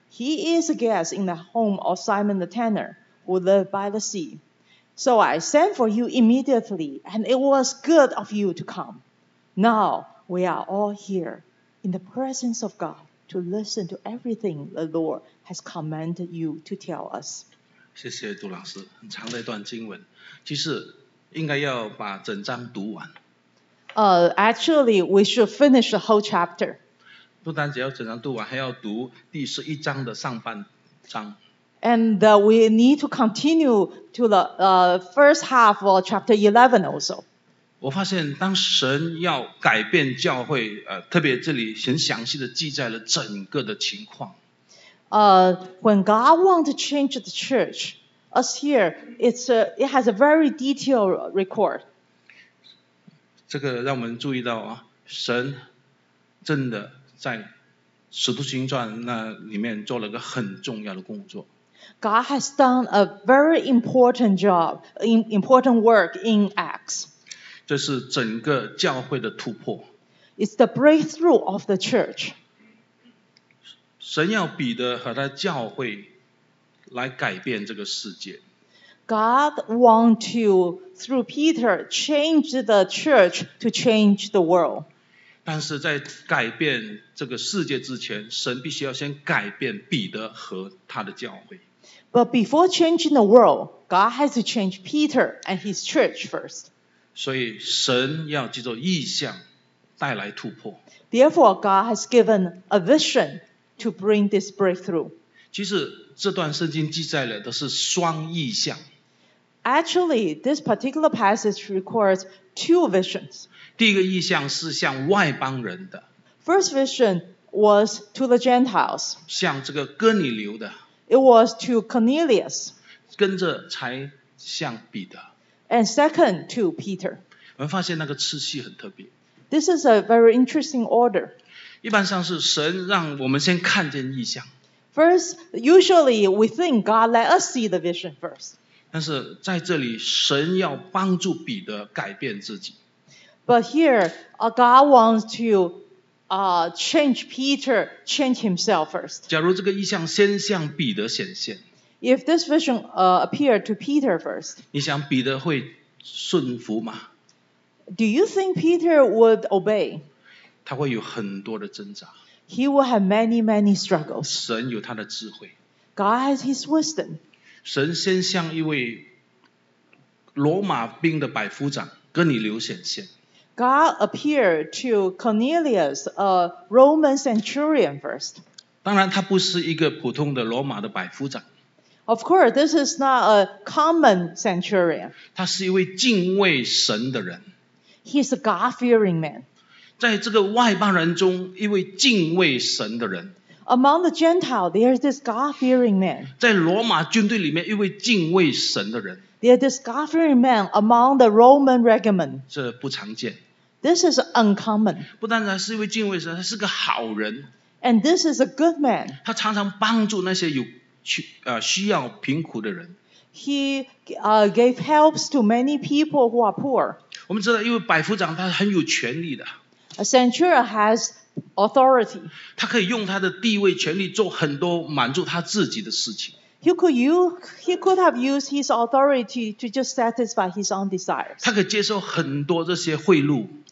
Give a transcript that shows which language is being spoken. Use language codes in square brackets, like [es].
[en] He is a guest in the home of Simon the tanner, who lived by the sea. So I sent for you immediately, and it was good of you to come. Now we are all here in the presence of God to listen to everything the Lord has commanded you to tell us. [zh] 谢谢杜老师，很长的一段经文，其实应该要把整章读完。 [en] Actually, we should finish the whole chapter. [zh] 不单只要整章读完，还要读第十一章的上半章。 [en] And we need to continue to the first half of chapter 11 also. [zh] 我发现当神要改变教会，特别这里很详细的记载了整个的情况。 [en] When God wants to change the church, us here, it has a very detailed record. [zh] 这个让我们注意到啊，神真的在使徒行传那里面做了个很重要的工作。 [en] God has done a very important job, important work in Acts. [zh] 这是整个教会的突破。 [en] It's the breakthrough of the church. [zh] 神要彼得和他教会来改变这个世界。 [en] God want to, through Peter, change the church to change the world. [zh] 但是在改变这个世界之前，神必须要先改变彼得和他的教会。 [en] But before changing the world, God has to change Peter and his church first. [zh] 所以神要藉着异象带来突破。 [en] Therefore, God has given a vision to bring this breakthrough. [zh] 其实这段圣经记载了的是双异象。 [en] Actually, this particular passage records two visions. [zh] 第一个异象是向外邦人的。 [en] First vision was to the Gentiles. [zh] 向这个哥尼流的。 [en] It was to Cornelius. [zh] 跟着才像彼得。 [en] And second to Peter. [zh] 我们发现那个次序很特别。 [en] This is a very interesting order. [zh] 一般上是神让我们先看见异象。 [en] First, usually we think God let us see the vision first. [zh] 但是在这里，神要帮助彼得改变自己。 [en] But here, God wants to change Peter, change himself first. [zh] 假如这个异象先向彼得显现， [en] If this vision appeared to Peter first, [zh] 你想彼得会顺服吗？ [en] Do you think Peter would obey? [zh] 他会有很多的挣扎。 [en] He will have many, many struggles. [zh] 神有他的智慧。 [en] God has his wisdom. [zh] 神先向一位罗马兵的百夫长哥尼流显现。 [en] God appeared to Cornelius, a Roman centurion first. [zh] 当然他不是一个普通的罗马的百夫长。 [en] Of course, this is not a common centurion. [zh] 他是一位敬畏神的人。 [en] He's a God-fearing man. [zh] 在这个外邦人中，一位敬畏神的人。 [en] Among the Gentiles, there is this God-fearing man. [zh] 在罗马军队里面，一位敬畏神的人。 [en] There is this God-fearing man among the Roman regiment. [zh] 这不常见。 [en] This is uncommon. [zh] 不单单是一位敬畏神，他是个好人。 [en] And this is a good man. [zh] 他常常帮助那些有需要贫苦的人。 [en] He gave helps to many people who are poor. [zh] 我们知道，因为百夫长他很有权力的。 [en] A centurion has authority. [zh] 他可以用他的地位、权力做很多满足他自己的事情。 [en] He could have used his authority to just satisfy his own desires. [zh] 他可接受很多这些贿赂。